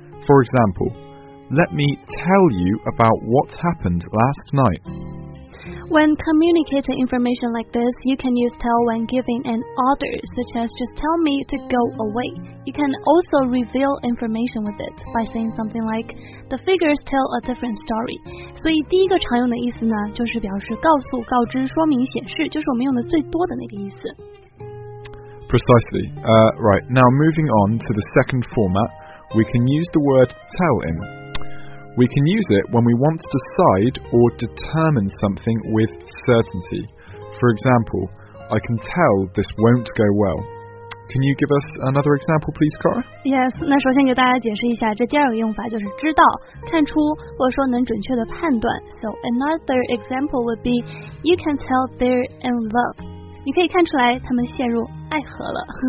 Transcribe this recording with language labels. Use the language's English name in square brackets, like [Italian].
[English] For example,Let me tell you about what happened last night. When communicating information like this, you can use tell when giving an order, such as just tell me to go away. You can also reveal information with it by saying something like, the figures tell a different story. [Chinese] 所以第一个常用的意思呢，就是表示告诉、告知、说明、显示，就是我们用的最多的那个意思。 [English] Precisely. Right, now moving on to the second format, we can use the word tell in. We can use it when we want to decide or determine something with certainty. For example, I can tell this won't go well. Can you give us another example, please, Cara? [Chinese] Yes, 那首先给大家解释一下，这第二个用法就是知道、看出，或者说能准确的判断。 [English] So another example would be, you can tell they're in love. [Chinese] 你可以看出来他们陷入爱河了。